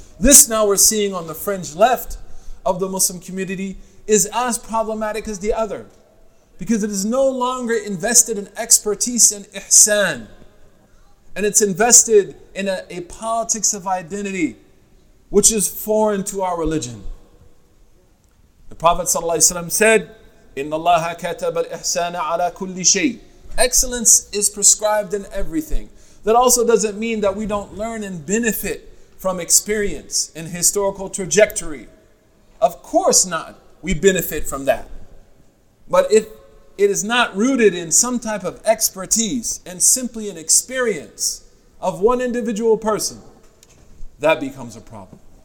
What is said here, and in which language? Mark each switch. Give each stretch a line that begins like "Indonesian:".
English: This now we're seeing on the fringe left of the Muslim community is as problematic as the other, because it is no longer invested in expertise and ihsan, and it's invested in a politics of identity, which is foreign to our religion. The Prophet ﷺ said,
Arabic: إِنَّ اللَّهَ كَتَبَ الْإِحْسَانَ عَلَى كُلِّ شَيْءٍ.
English: Excellence is prescribed in everything. That also doesn't mean that we don't learn and benefit from experience and historical trajectory. Of course not, we benefit from that. But if it is not rooted in some type of expertise and simply an experience of one individual person, that becomes a problem.